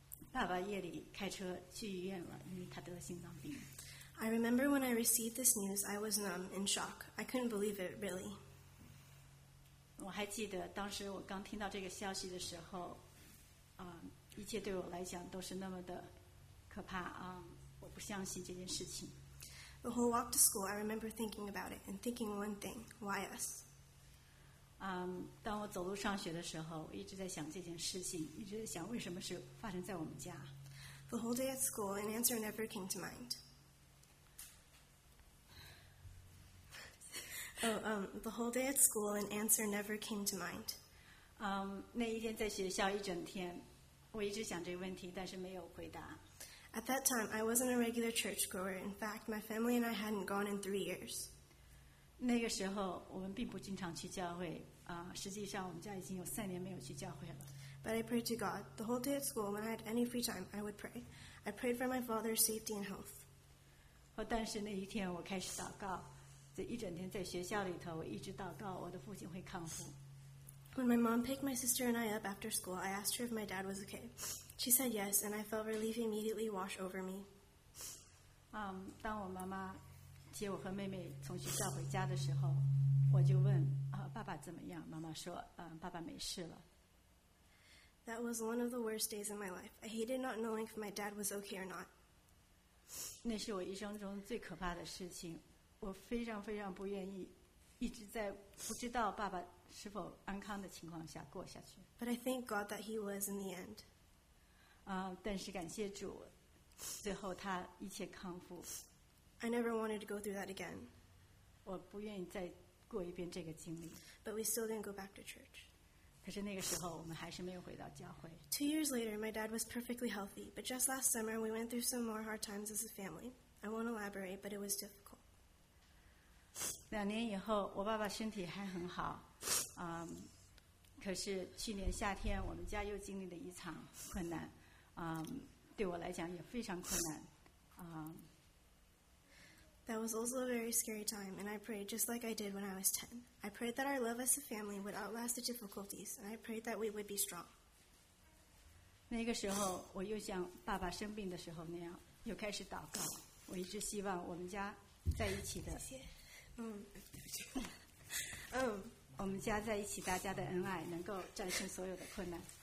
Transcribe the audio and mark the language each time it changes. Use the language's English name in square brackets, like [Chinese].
[Chinese] 爸爸夜里开车去医院了，因为他得了心脏病。 [English] I remember when I received this news, I was numb, in shock. I couldn't believe it, really. [Chinese] 我还记得当时我刚听到这个消息的时候，一切对我来讲都是那么的可怕啊！我不相信这件事情。 [English] The whole walk to school, I remember thinking about it and thinking one thing: why us? [Chinese] 当我走路上学的时候，我一直在想这件事情，一直在想为什么是发生在我们家。 [English] The whole day at school, an answer never came to mind. The whole day at school, an answer never came to mind. [Chinese] 那一天在学校一整天，我一直想这个问题，但是没有回答。 [English] At that time, I wasn't a regular churchgoer. In fact, my family and I hadn't gone in 3 years. [Chinese] 那个时候我们并不经常去教会，实际上我们家已经有三年没有去教会了。 [English] But I prayed to God. The whole day at school, when I had any free time, I would pray. I prayed for my father's safety and health. [Chinese] 但是那一天我开始祷告，这一整天在学校里头，我一直祷告我的父亲会康复。 [English] When my mom picked my sister and I up after school, I asked her if my dad was okay. She said yes, and I felt relief immediately wash over me. [Chinese] 当我妈妈接我和妹妹从学校回家的时候，我就问爸爸怎么样？妈妈说，爸爸没事了。 [English] That was one of the worst days in my life. I hated not knowing if my dad was okay or not. [Chinese] 那是我一生中最可怕的事情。我非常非常不愿意，一直在不知道爸爸是否安康的情况下过下去。 [English] But I thank God that he was in the end. [Chinese] 但是感谢主，最后他一切康复。 [English] I never wanted to go through that again. [Chinese] 我不愿意再过一遍这个经历。 [English] But we still didn't go back to church. [Chinese] 可是那个时候我们还是没有回到教会。 [English] Two years later, my dad was perfectly healthy, but just last summer we went through some more hard times as a family. I won't elaborate, but it was difficult. [Chinese] 两年以后，我爸爸身体还很好，可是去年夏天我们家又经历了一场困难，对我来讲也非常困难， [English] That was also a very scary time, and I prayed just like I did when I was 10. I prayed that our love as a family would outlast the difficulties, and I prayed that we would be strong. [Chinese] 那个时候，我又像爸爸生病的时候那样，又开始祷告。我一直希望我们家在一起的，我们家在一起，大家的恩爱能够战胜所有的困难。